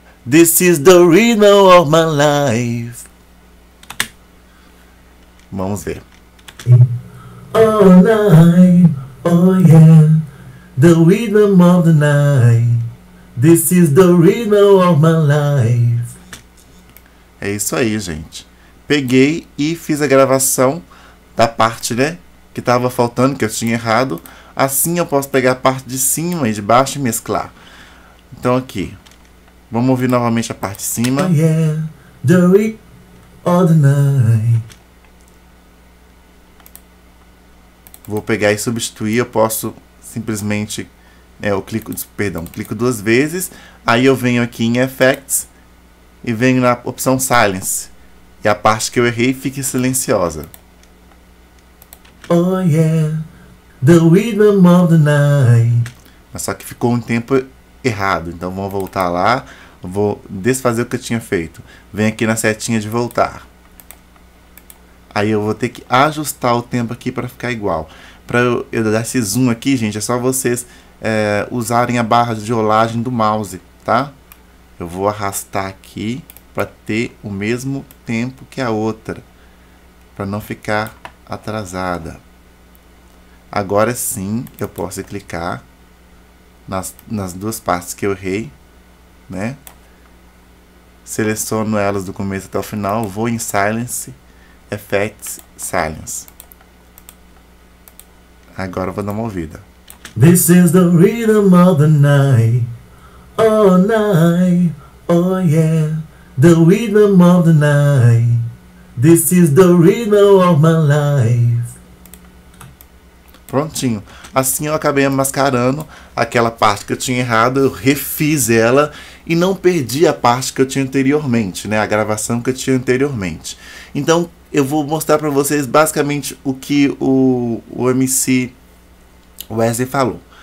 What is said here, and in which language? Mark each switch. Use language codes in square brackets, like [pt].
[en] This is the rhythm of my life. [pt] Vamos ver. [en] All night, oh yeah. The rhythm of the night. This is the rhythm of my life. [pt] É isso aí, gente. Peguei e fiz a gravação da parte, né, que estava faltando, que eu tinha errado. Assim eu posso pegar a parte de cima e de baixo e mesclar. Então aqui, vamos ouvir novamente a parte de cima. [en] Yeah, the week or the night. [pt] Vou pegar e substituir. Eu posso simplesmente, eu clico, perdão, clico duas vezes. Aí eu venho aqui em Effects e venho na opção Silence. E a parte que eu errei fica silenciosa. [en] Oh yeah, the rhythm of the night. [pt] Mas só que ficou um tempo errado. Então vou voltar lá. Vou desfazer o que eu tinha feito. Vem aqui na setinha de voltar. Aí eu vou ter que ajustar o tempo aqui para ficar igual. Para eu dar esse zoom aqui, gente, é só vocês usarem a barra de rolagem do mouse, tá? Eu vou arrastar aqui para ter o mesmo tempo que a outra, para não ficar atrasada. Agora sim, eu posso clicar nas duas partes que eu errei, né? Seleciono elas do começo até o final, vou em Silence, Effects, Silence. Agora eu vou dar uma ouvida. [en] This is the rhythm of the night, all night, oh yeah, the rhythm of the night, this is the rhythm of my life. [pt] Prontinho. Assim eu acabei mascarando aquela parte que eu tinha errado, eu refiz ela e não perdi a parte que eu tinha anteriormente, né? A gravação que eu tinha anteriormente. Então, eu vou mostrar para vocês basicamente o que o MC Wesley falou.